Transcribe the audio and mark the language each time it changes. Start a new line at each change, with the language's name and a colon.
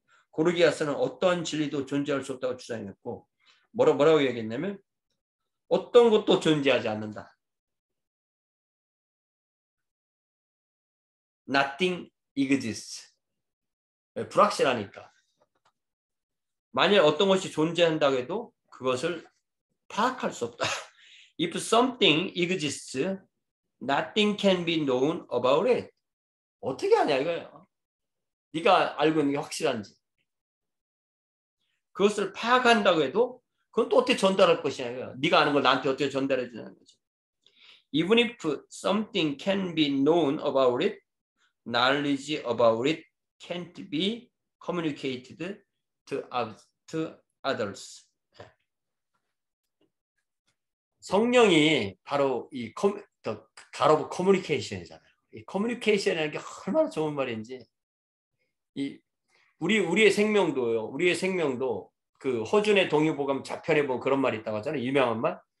Korean: 고르기아스는 어떠한 진리도 존재할 수 없다고 주장했고 뭐라고 얘기했냐면 어떤 것도 존재하지 않는다.
English: Nothing exists.
Korean: 불확실하니까. 만일 어떤 것이 존재한다고 해도 그것을 파악할 수 없다.
English: If something exists, nothing can be known about it.
Korean: 어떻게 아냐 이거예요. 네가 알고 있는 게 확실한지. 그것을 파악한다고 해도 그건 또 어떻게 전달할 것이냐 이거예요. 네가 아는 걸 나한테 어떻게 전달해 주냐는 거죠.
English: Even if something can be known about it, knowledge about it can't be communicated to others.
Korean: 성령이 바로 이 가로브 커뮤니케이션이잖아요. 이 커뮤니케이션이라는 게 얼마나 좋은 말인지. 우리의 생명도요. 우리의 생명도 그 허준의 동의보감 자편에 보면 그런 말이 있다고 하잖아요. 유명한 말.